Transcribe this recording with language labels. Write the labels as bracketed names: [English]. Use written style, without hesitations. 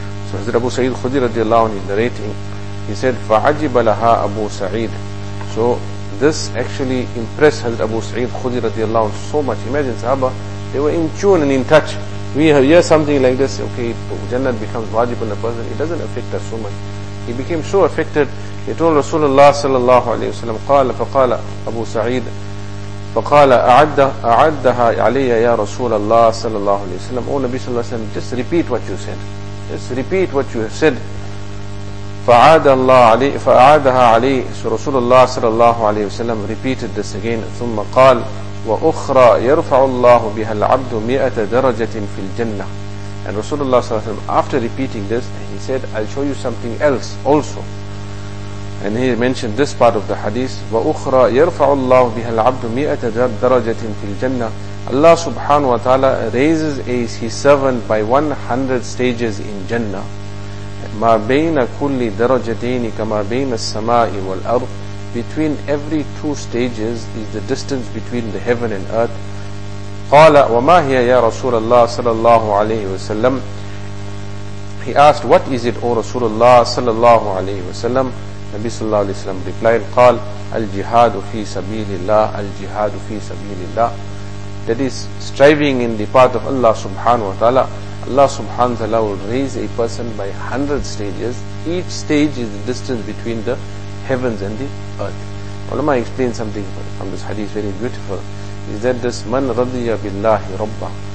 [English] So Hazrat Abu Sa'id Khudri radiallahu anhu is narrating, he said, [Arabic] فَعَجِبَ لَهَا أَبُو سَعِيدٍ. [English] So this actually impressed Hazrat Abu Sa'id Khudri radiallahu anhu so much. Imagine Sahaba, they were in tune and in touch. We hear something like this, okay, Jannat becomes wajib on a person, it doesn't affect us so much. He became so affected, he told Rasulullah sallallahu alayhi wa sallam, [Arabic] قال فقال أبو سعيد فقال أعدها علي يا رسول الله صلى الله عليه وسلم. [English] Oh Nabi sallallahu alayhi wa sallam, just repeat what you said. Just repeat what you have said. [Arabic] فأعادها علي. [English] So Rasulullah sallallahu alayhi wa sallam repeated this again. [Arabic] ثم قال وأخرى يرفع الله بها العبد 100 درجة في الجنة. [English] And Rasulullah sallallahu alayhi wa sallam, after repeating this, he said, I'll show you something else also. And he mentioned this part of the hadith. [Arabic] وَأُخْرَى يَرْفَعُ اللَّهُ بِهَا الْعَبْدُ 100 درجة فِي الْجَنَّةِ. [English] Allah subhanahu wa ta'ala raises his servant by 100 stages in Jannah. [Arabic] مَا بَيْنَ كُلِّ دَرَجَتَيْنِ كَمَا بَيْنَ السَّمَاءِ وَالْأَرْضِ. [English] Between every two stages is the distance between the heaven and earth. [Arabic] قَالَ وَمَا هِيَ يَا رَسُولَ اللَّهِ صَلَى اللَّهُ عَلَيْهِ وَسَلَّمْ. [English] He asked, what is it, O Rasulullah sallallahu alayhi wa sallam? Nabi sallallahu alayhi wa sallam replied, [Arabic] قال الجهاد في سبيل الله, الجهاد في سبيل الله. [English] That is striving in the path of Allah subhanahu wa ta'ala. Allah subhanahu wa ta'ala will raise a person by 100 stages. Each stage is the distance between the heavens and the earth. Ulama explained something from this hadith very beautiful. Is that this man radiya billahi rabba.